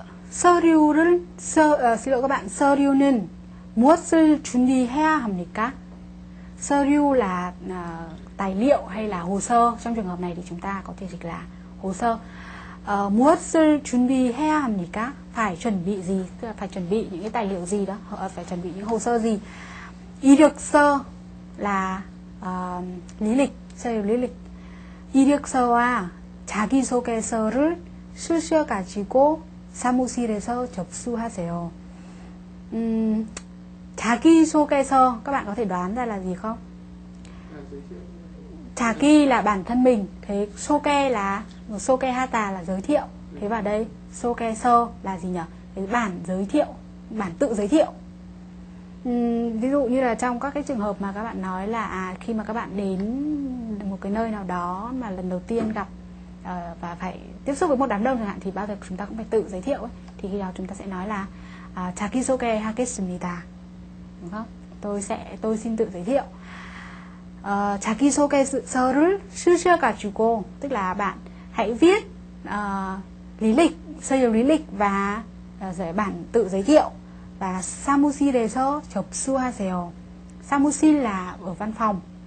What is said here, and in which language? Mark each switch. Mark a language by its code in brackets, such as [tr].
[ko] 서류를 [vi] xin lỗi các bạn, [ko] 서류는 무엇을 준비해야 합니까? 서류 là [vi] tài liệu hay là hồ sơ. Trong trường hợp này thì chúng ta có thể dịch là hồ sơ. [ko] 무엇을 준비해야 합니까? [vi] Phải chuẩn bị gì? Phải chuẩn bị những cái tài liệu gì đó? Phải chuẩn bị những hồ sơ gì? 이력서 là lý lịch, 서류 lý lịch. [ko] 이력서와 자기소개서를 수시로 가지고 사무실에서 접수하세요. [vi] 자기소개서, các bạn có thể đoán ra là gì không? 자기 là bản thân mình, thế 소개 là 소개하다 là giới thiệu. Thế vào đây 소개서 là gì nhỉ? Cái bản giới thiệu, bản tự giới thiệu. Ví dụ như là trong các cái trường hợp mà các bạn nói là khi mà các bạn đến một cái nơi nào đó mà lần đầu tiên gặp và phải tiếp xúc với một đám đông chẳng hạn, thì bao giờ chúng ta cũng phải tự giới thiệu ấy. Thì khi đó chúng ta sẽ nói là [ko] 자기소개하겠습니다, [vi] đúng không? Tôi xin tự giới thiệu. [ko] 자기소개서를 쓰셔 가지고, [vi] tức là bạn hãy viết lý lịch, sơ yếu lý lịch và giải bản tự giới thiệu. [ko] Và 사무실에서 접수하세요. [vi] 사무실 là ở văn phòng.